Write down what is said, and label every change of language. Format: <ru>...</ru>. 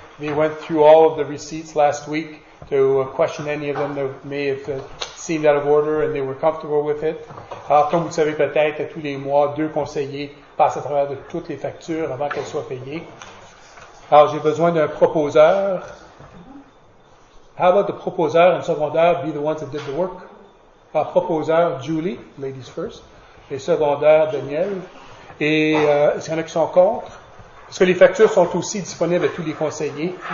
<en>They went through all of the receipts last week to question any of them that may have seemed out of order and they were comfortable with it.</en> <fr>Alors, comme vous savez peut-être, à tous les mois, deux conseillers passent à travers de toutes les factures avant qu'elles soient payées. Alors, j'ai besoin d'un proposeur.</fr> <en>How about the proposer and secondaire be the ones that did the work? Our proposer, Julie, ladies first.</en> <fr>Et secondaire,</fr> <en>Daniel.</en> <fr>Et est-ce qu'il y en a qui sont contre? Parce que les factures sont aussi disponibles à tous les conseillers.</fr>